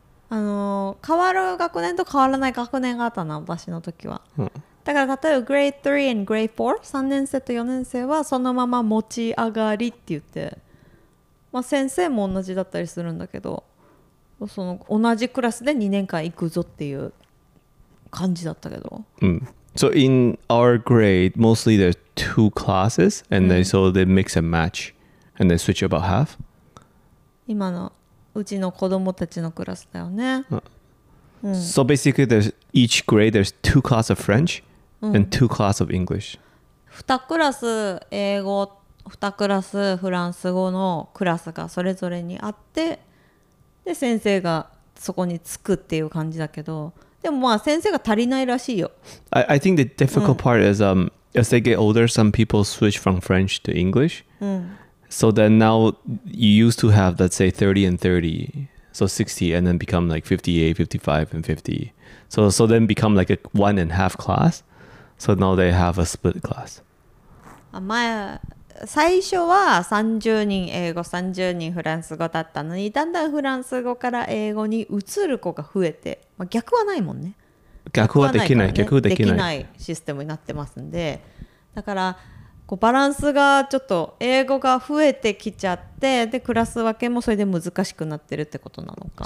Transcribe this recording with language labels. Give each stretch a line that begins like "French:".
Japanese: 変わる学年と変わらない学年があったな、私の時は。うん、だから例えば
English: Grade 3 and Grade 4、
Japanese: 3年生と4年生はそのまま持ち上がりって言って、まあ、先生も同じだったりするんだけど、その同じクラスで2年間行くぞっていう感じだったけど。
English: うん、So in our grade, mostly there's two classes, and then、うん、so they mix and match, and they switch about half.
Japanese: 今のうちの子供たちのクラスだよね。うん、
English: so basically, there's each grade, there's two class of French、うん、and two class of English.
Japanese: 2クラス英語、2クラスフランス語のクラスがそれぞれにあって、で先生がそこにつくっていう感じだけど、でもまあ先生が足りないらしいよ。
English: I think the difficult part is、うん、as they get older, some people switch from French to English.、うん、 so then now you used to have, let's say, 30 and 30. So 60 and then become like 58, 55 and 50. So then become like a one and a half class. So now they have a split class.
Japanese: 前、最初は30人英語、30人フランス語だったのに、だんだんフランス語から英語に移る子が増えて、まあ、逆はないもんね。逆はできない、逆はできない。できないシステムになってますんで。だから、こうバランスがちょっと英語が増えてきちゃって、で、クラス分けもそれで難しくなってるってことなのか。